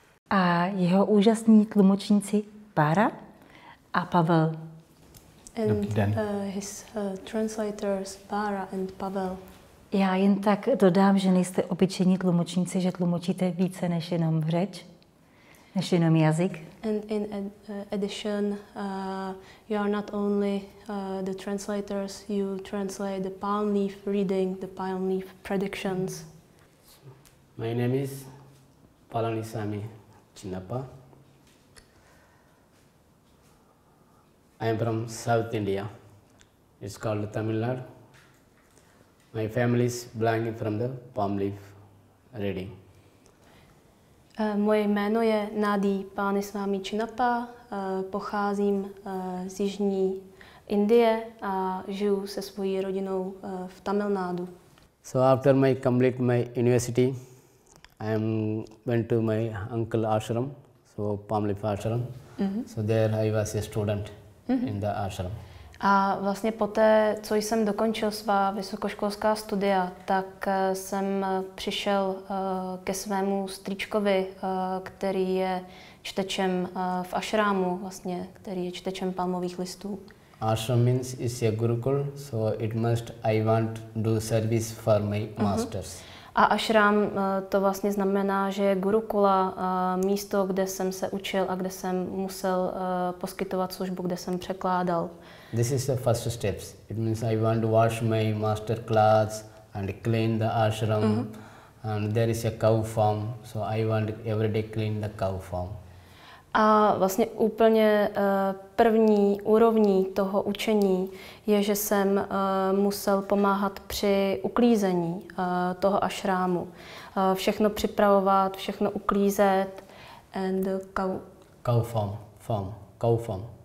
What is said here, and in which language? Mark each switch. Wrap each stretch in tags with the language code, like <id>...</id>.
<cs>A jeho úžasní tlumočníci Pára a Pavel. Dobrý den.</cs> <en>His translators Pára and Pavel.</en> <cs>Já jen tak dodám, že nejste obyčejní tlumočníci, že tlumočíte více než jenom řeč, než jenom jazyk.</cs> <en>And in addition, you are not only the translators, you translate the palm leaf reading, the palm leaf predictions. My name is Palani Sami Chinnappa. I am from South India. It's called Tamil Nadu. My family is blind from the palm leaf reading.</en> <cs>Moje jméno je Nády Pálanisvámí Chinnappa. Pocházím z jižní Indie a žiju se svojí rodinou v Tamil Nadu.</cs> <en>So after my complete my university, I went to my uncle ashram, so palm leaf ashram. Mm-hmm. So there I was a student in the ashram.</en> <cs>A vlastně poté, co jsem dokončil svá vysokoškolská studia, tak jsem přišel ke svému strýčkovi, který je čtečem v ašrámu, vlastně, který je čtečem palmových listů.</cs> <en>Ashram means is a gurukul, so it must I want do service for my masters.</en> <cs>A ashram to vlastně znamená, že je gurukula, místo, kde jsem se učil a kde jsem musel poskytovat službu, kde jsem překládal.</cs> <en>This is the first steps. It means I want to wash my master clothes and clean the ashram. Mm-hmm. And there is a cow farm, so I want to every day clean the cow farm.</en> <cs>A vlastně úplně první úrovní toho učení je, že jsem musel pomáhat při uklízení toho ashramu. Všechno připravovat, všechno uklízet</cs> <en>and cow farm.</en>